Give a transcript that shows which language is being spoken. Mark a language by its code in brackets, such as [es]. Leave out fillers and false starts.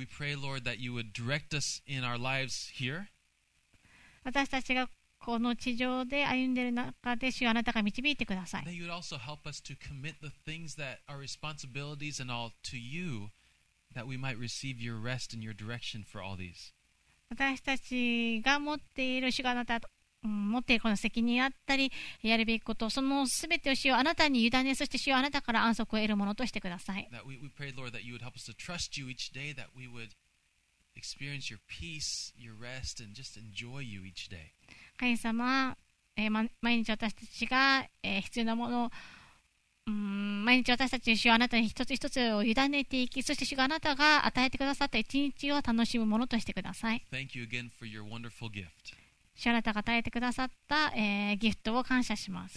[en] We pray, Lord, that you would direct us in our lives here. [ja] 私たちがこの地上で歩んでいる中で主よ、あなたが導いてください。 [en] That you would also help us to commit the things that are responsibilities and all to you, that we might receive your rest and your direction for all these. [ja] 私たちが持っている主よ、あなたと、持っているこの責任あったりやるべきこと、そのすべてを主よ、あなたに委ね、そして主よ、あなたから安息を得るものとしてください。 [en] That we pray, Lord, that you would help us to trust you each day, that we would experience your peace, your rest, and just enjoy you each day. [ja] 神様、毎日私たちが、必要なもの、毎日私たちの主をあなたに一つ一つを委ねていき、そして主があなたが与えてくださった一日を楽しむものとしてください。 [en] Thank you again for your wonderful gift. [ja] 主あなたが与えてくださった、ギフトを感謝します。